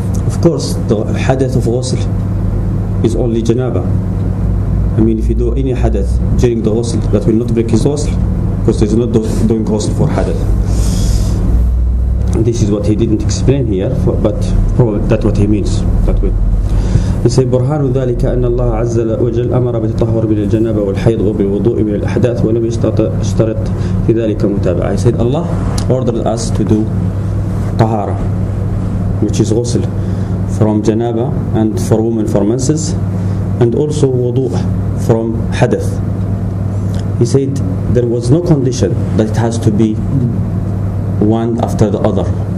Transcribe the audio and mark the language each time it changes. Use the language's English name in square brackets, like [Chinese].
[English] Of course, the حَدَث of غُسْل is only جَنَابَة. I mean, if you do any حَدَث during the غُسْل, that will not break his غُسْل, because he's not doing غُسْل for حَدَث. This is what he didn't explain here, but probably that's what he means. That way, he said, [Arabic] "برهان ذلك أن الله عز وجل أمر بالطهور من الجنابة والحيض وبالوضوء من الأحداث ولم يشترط في ذلك متابعة." [English] He said, "Allah ordered us to do tahara, which is غسل, from جنابة and for women for menses, and also وضوء from حدث." He said, "There was no condition that it has to be one after the other."